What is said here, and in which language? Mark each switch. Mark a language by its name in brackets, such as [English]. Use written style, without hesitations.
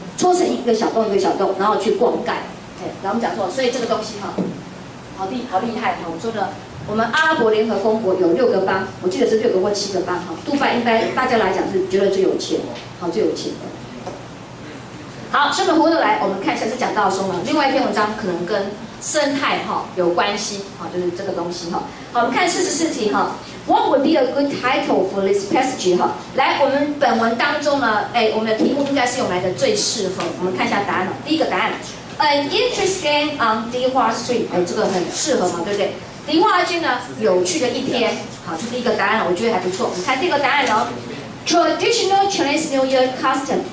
[Chinese] 搓成一个小洞一个小洞，然后去灌溉。然后我们讲说，所以这个东西哈，好厉害哈。我说呢，我们阿拉伯联合公国有六个邦，我记得是六个或七个邦哈。杜拜应该大家来讲是觉得最有钱，好最有钱的。好，顺着回头来，我们看一下是讲到什么。另外一篇文章可能跟生态哈有关系，好就是这个东西哈。好，我们看44题哈。 [English] What would be a good title for this passage？ [Chinese] 哈，来，我们本文当中呢，哎，我们的题目应该是用来的最适合。我们看一下答案哦。第一个答案 ， [English] An interesting on Dihua Street， [Chinese] 哎，这个很适合嘛，对不对？迪化街呢，有趣的一天。好，这是第一个答案，我觉得还不错。我们看第二个答案哦 ， [English] Traditional Chinese New Year custom。